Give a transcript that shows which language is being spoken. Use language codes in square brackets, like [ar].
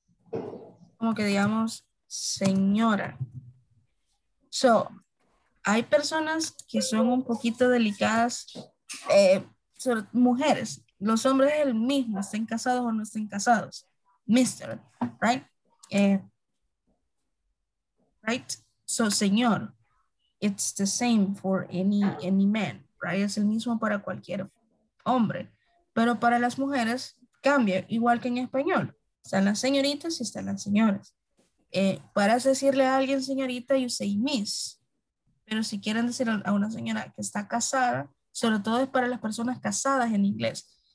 [es] Como que digamos. Señora. So. Hay personas que son un poquito delicadas, mujeres, los hombres es el mismo, estén casados o no estén casados. [en] Mister, right? Right? So, señor, it's the same for any man, right? [es] Es el mismo para cualquier hombre. Pero para las mujeres cambia, igual que en español. Están las señoritas y están las señoras. Para decirle a alguien señorita, [en] you say miss. [es] Pero si quieren decir a una señora que está casada, sobre todo es para las personas casadas en inglés.